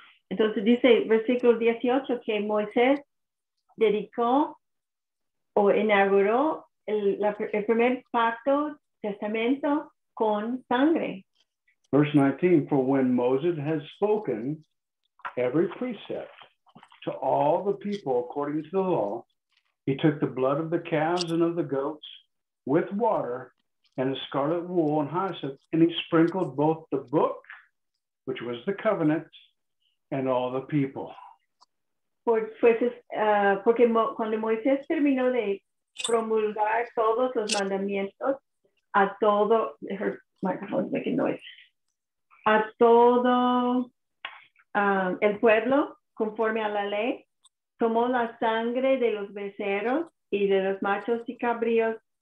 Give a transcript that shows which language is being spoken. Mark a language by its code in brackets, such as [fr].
[es] Entonces dice, versículo 18, que Moisés dedicó o inauguró el primer pacto, testamento, con sangre. [en] Verse 19, for when Moses has spoken every precept to all the people according to the law, he took the blood of the calves and of the goats with water and a scarlet wool and hyssop, and he sprinkled both the book, which was the covenant, and all the people. [es] Porque cuando Moisés terminó de promulgar todos los mandamientos a todo, [en] her microphone's making noise, [es] a todo el pueblo conforme a la ley, tomó la sangre de los becerros y de los machos cabríos